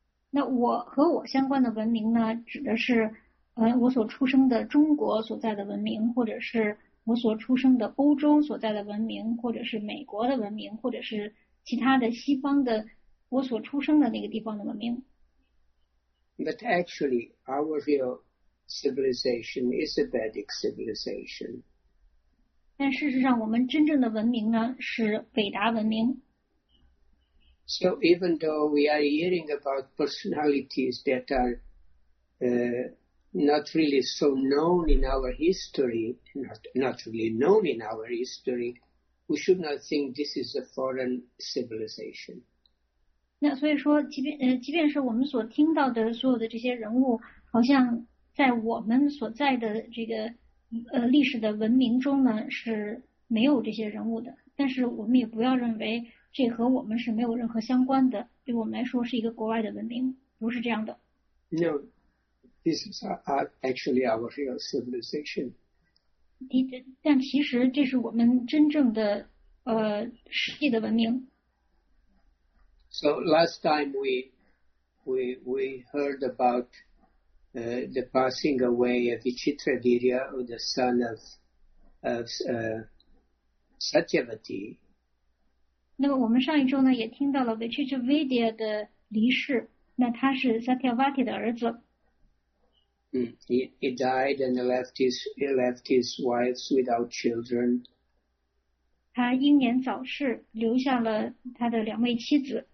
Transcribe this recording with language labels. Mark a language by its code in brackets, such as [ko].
[zh] 那我和我相关的文明呢，指的是我所出生的中国所在的文明，或者是我所出生的欧洲所在的文明，或者是美国的文明，或者是其他的西方的我所出生的那个地方的文明。 [en] But actually, our real civilization is a Vedic civilization. [zh] 但事实上，我们真正的文明呢，是韦达文明。 [en] So even though we are hearing about personalities that are not really so known in our history, not really known in our history, we should not think this is a foreign civilization. [zh] 那所以说即便是我们所听到的所有的这些人物好像在我们所在的这个历史的文明中呢是没有这些人物的，但是我们也不要认为这和我们是没有任何相关的，对我们来说是一个国外的文明，不是这样的。 [en] No, this is actually our real civilization. [zh] 但其实这是我们真正的实际的文明。 [en] So last time we heard about the passing away of Vichitradirya, the son of Satyavati. [zh] 那么我们上一周呢也听到了 Vichitradirya 的离世，那他是 Satyavati 的儿子。 [en] He died and left his wives without children. [zh] 他英年早逝，留下了他的两位妻子。